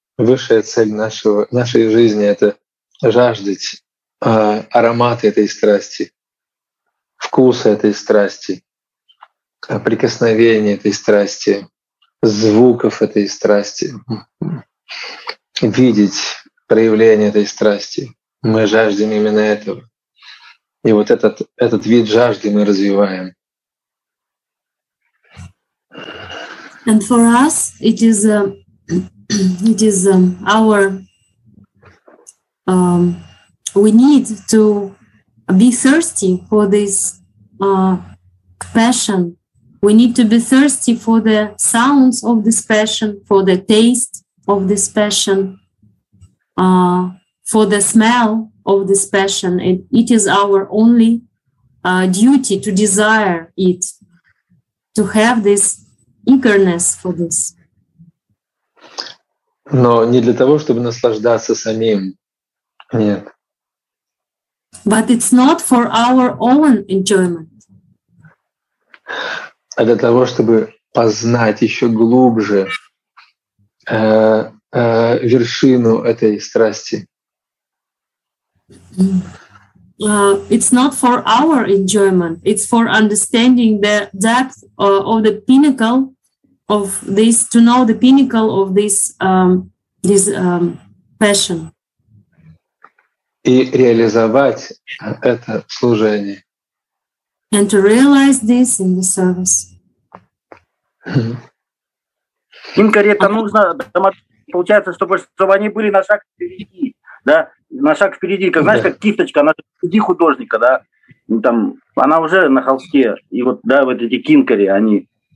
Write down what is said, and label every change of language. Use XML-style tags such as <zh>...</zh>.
<ru>Высшая цель нашей жизни — это жаждать аромата этой страсти, вкуса этой страсти, прикосновения этой страсти, звуков этой страсти, видеть проявление этой страсти. Мы жаждем именно этого. И вот этот вид жажды мы развиваем.</ru> <en>And for us, it is our we need to be thirsty for this passion. We need to be thirsty for the sounds of this passion, for the taste of this passion, for the smell of this passion. It is our only duty to desire it, to have this eagerness for this.</en> <ru>Но не для того, чтобы наслаждаться самим. Нет.</ru> <en>But it's not for our own enjoyment.</en> <ru>А для того, чтобы познать еще глубже вершину этой страсти.</ru> <en>It's not for our enjoyment. It's for understanding the depth of the pinnacle. Of this, to know the pinnacle of this passion.</en> <ru>И реализовать это в служении.</ru> <en>And to realize this in the service.</en> <ru>Инкаре, это нужно, получается, чтобы они были на шаг впереди, да, на шаг впереди, как, знаешь, как кисточка, она впереди художника, да, там, она уже на холсте, и вот, да, вот эти кинкари, они...</ru>